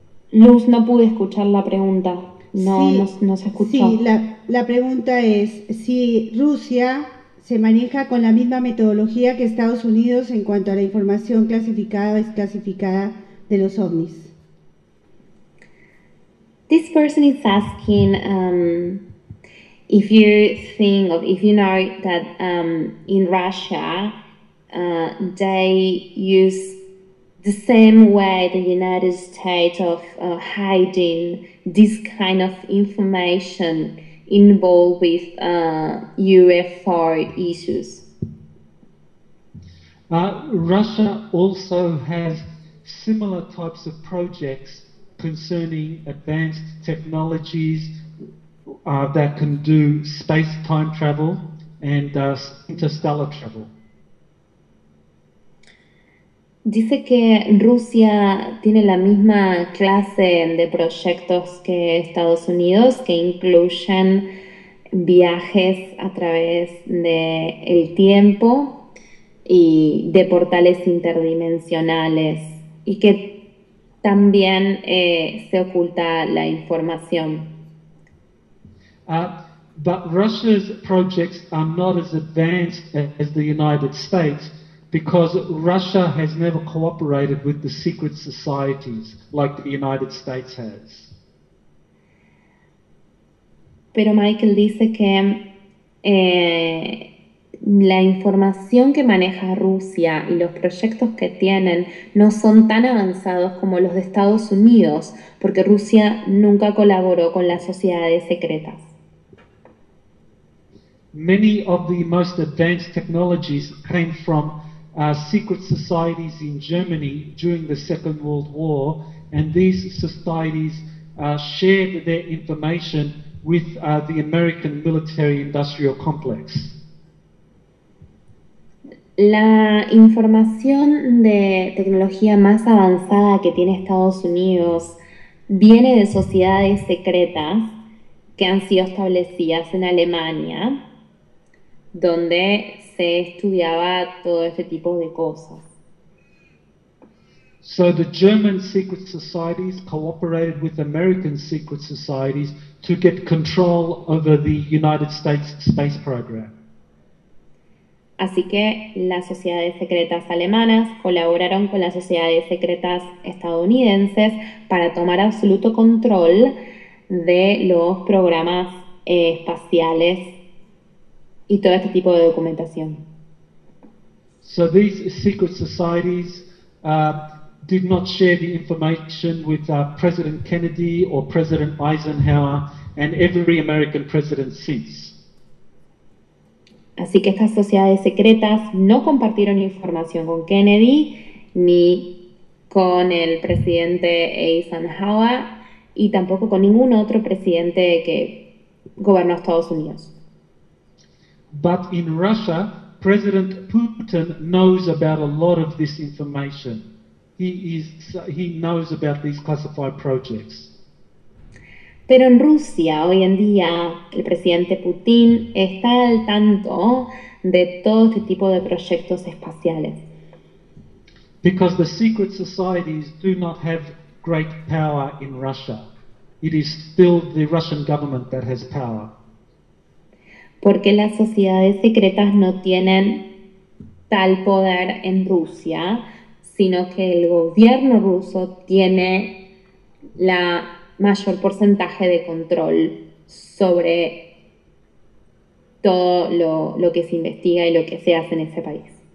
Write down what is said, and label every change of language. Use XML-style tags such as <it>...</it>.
<es>Luz, no pude escuchar la pregunta. No se escuchó. Sí, la pregunta es si Rusia se maneja con la misma metodología que Estados Unidos en cuanto a la información clasificada o desclasificada de los OVNIs.</es> <en>This person is asking if you think of, if you know that in Russia they use the same way the United States of hiding this kind of information involved with UFO issues. Russia also has similar types of projects concerning advanced technologies that can do space-time travel and interstellar travel.</en> <es>Dice que Rusia tiene la misma clase de proyectos que Estados Unidos, que incluyen viajes a través del tiempo y de portales interdimensionales, y que también se oculta la información.</es> <en>But Russia's projects are not as advanced as the United States, Because Russia has never cooperated with the secret societies like the United States has.</en> <es>Pero Michael dice que la información que maneja Rusia y los proyectos que tienen no son tan avanzados como los de Estados Unidos, porque Rusia nunca colaboró con las sociedades secretas.</es> <en>Many of the most advanced technologies came from secret societies in Germany during the Second World War, and these societies shared their information with the American military industrial complex.</en> <es>La información de tecnología más avanzada que tiene Estados Unidos viene de sociedades secretas que han sido establecidas en Alemania, donde se estudiaba todo este tipo de cosas.</es> <en>So the German secret societies cooperated with American secret societies to get control over the United States space program.</en> <es>Así que las sociedades secretas alemanas colaboraron con las sociedades secretas estadounidenses para tomar absoluto control de los programas espaciales y todo este tipo de documentación.</es> <en>So these secret societies did not share the information with President Kennedy or President Eisenhower and every American president since.</en> <es>Así que estas sociedades secretas no compartieron información con Kennedy ni con el presidente Eisenhower y tampoco con ningún otro presidente que gobernó Estados Unidos.</es> <en>But in Russia, President Putin knows about a lot of this information. He knows about these classified projects.</en> <es>Pero en Rusia, hoy en día, el presidente Putin está al tanto de todo este tipo de proyectos espaciales.</es> <en>Because the secret societies do not have great power in Russia. It is still the Russian government that has power.</en> <es>Porque las sociedades secretas no tienen tal poder en Rusia, sino que el gobierno ruso tiene la mayor porcentaje de control sobre todo lo que se investiga y lo que se hace en ese país.</es>